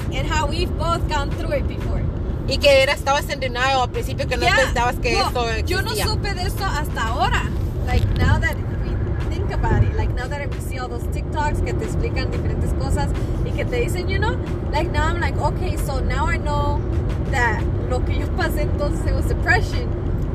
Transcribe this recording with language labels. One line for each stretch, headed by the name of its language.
English: And how we've both gone through it before.
Spanish: Y que estabas en denial al principio, que no pensabas que esto existía. Yo no supe de esto hasta ahora.
English: Like, now that we think about it, like, now that we see all those TikToks que te explican diferentes cosas y que te dicen, you know, like, now I'm like, okay, so now I know that lo que yo pasé entonces was depression.